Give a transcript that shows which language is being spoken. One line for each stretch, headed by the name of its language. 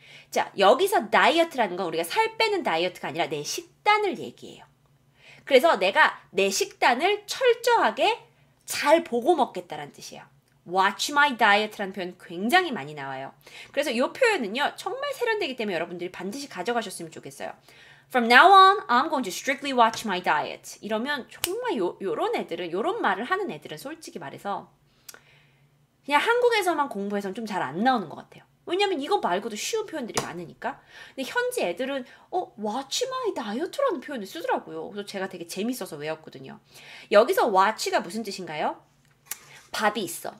Korean: 자, 여기서 다이어트라는 건 우리가 살 빼는 다이어트가 아니라 내 식단을 얘기해요. 그래서 내가 내 식단을 철저하게 잘 보고 먹겠다라는 뜻이에요.
English: Watch my diet
Korean: 라는 표현 굉장히 많이 나와요. 그래서 이 표현은요, 정말 세련되기 때문에 여러분들이 반드시 가져가셨으면 좋겠어요.
English: From now on, I'm going to strictly watch my diet.
Korean: 이러면 정말 요런 애들은, 요런 말을 하는 애들은 솔직히 말해서 그냥 한국에서만 공부해서는 좀잘안 나오는 것 같아요. 왜냐면 이거 말고도 쉬운 표현들이 많으니까. 근데 현지 애들은,
English: watch my diet
Korean: 라는 표현을 쓰더라고요. 그래서 제가 되게 재밌어서 외웠거든요. 여기서 watch가 무슨 뜻인가요? 밥이 있어.